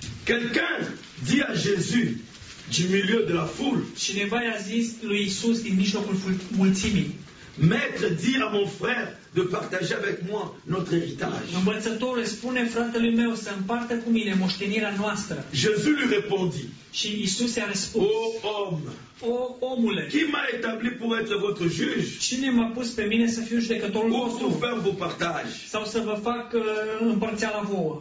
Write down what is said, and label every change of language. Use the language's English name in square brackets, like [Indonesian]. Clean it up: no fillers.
[French] Quelqu'un dit à Jésus du milieu de la foule. [Romanian] Cineva i-a zis lui Iisus din mijlocul mulțimii. [French] Maître dit à mon frère de partager avec moi notre héritage. [Romanian] Învățătorul spune fratelui meu să împartă cu mine moștenirea noastră. [French] Jésus lui répondit. [Romanian] Și Iisus i-a răspuns. [French] O homme. [Romanian] O omule. [French] Qui m'a établi pour être votre juge? [Romanian] Cine m-a pus pe mine să fiu judecătorul vostru? [French] Pour faire vos partages. [Romanian] Sau să vă fac împărțeala vouă.